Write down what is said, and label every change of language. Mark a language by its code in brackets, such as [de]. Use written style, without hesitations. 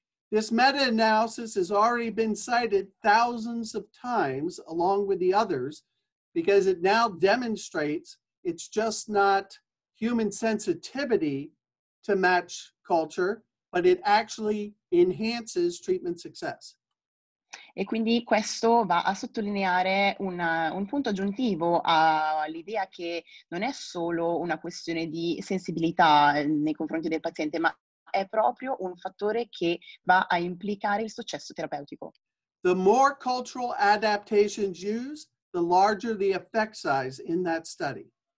[en] This meta-analysis has already been cited thousands of times along with the others because it now demonstrates it's just not human sensitivity to match culture, but it actually enhances treatment success. [it] E quindi questo va a sottolineare un punto aggiuntivo all'idea che non è solo una questione di sensibilità nei confronti del paziente, ma è proprio un fattore che va a implicare il successo terapeutico. [en] The more cultural adaptations used, the larger the effect size in that study.